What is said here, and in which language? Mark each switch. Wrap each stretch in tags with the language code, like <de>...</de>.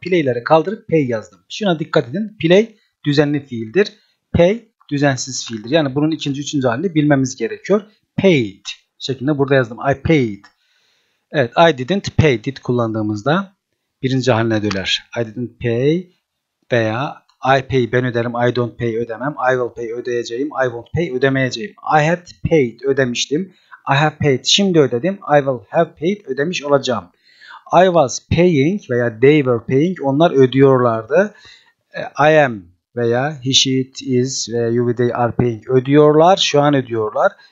<tr>Play'leri kaldırıp pay yazdım. Şuna dikkat edin. Play düzenli fiildir. Pay düzensiz fiildir. Yani bunun ikinci, üçüncü halini bilmemiz gerekiyor. Paid şeklinde burada yazdım. I paid. Evet, I didn't pay. Did kullandığımızda birinci haline döner.</tr> <en>I didn't pay veya I pay ben öderim. I don't pay ödemem. I will pay ödeyeceğim. I won't pay ödemeyeceğim. I had paid ödemiştim. I have paid şimdi ödedim. I will have paid ödemiş olacağım. I was paying veya they were paying onlar ödüyorlardı. I am veya he, she, it, is veya you, they are paying ödüyorlar. Şu an ödüyorlar.</en>